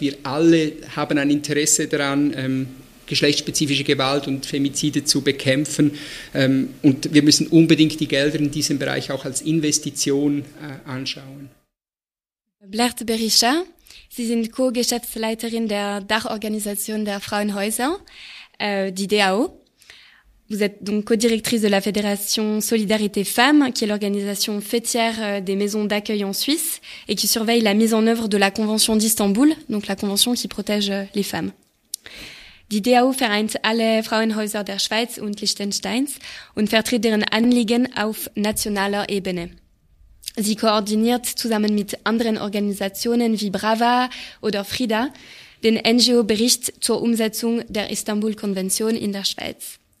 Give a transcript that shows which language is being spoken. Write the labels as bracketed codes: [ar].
[de] Wir alle haben ein Interesse daran, geschlechtsspezifische Gewalt und Femizide zu bekämpfen. Und wir müssen unbedingt die Gelder in diesem Bereich auch als Investition anschauen. Blair Teverisha, Sie sind Co-Geschäftsleiterin der Dachorganisation der Frauenhäuser, die DAO. [fr] Vous êtes donc co-directrice de la Fédération Solidarité Femmes, qui est l'organisation fêtière des maisons d'accueil en Suisse et qui surveille la mise en œuvre de la Convention d'Istanbul, donc la convention qui protège les femmes. [de] Die DAO vereint alle Frauenhäuser der Schweiz und Liechtensteins und vertritt deren Anliegen auf nationaler Ebene. Sie koordiniert zusammen mit anderen Organisationen wie Brava oder Frida den NGO-Bericht zur Umsetzung der Istanbul-Konvention in der Schweiz.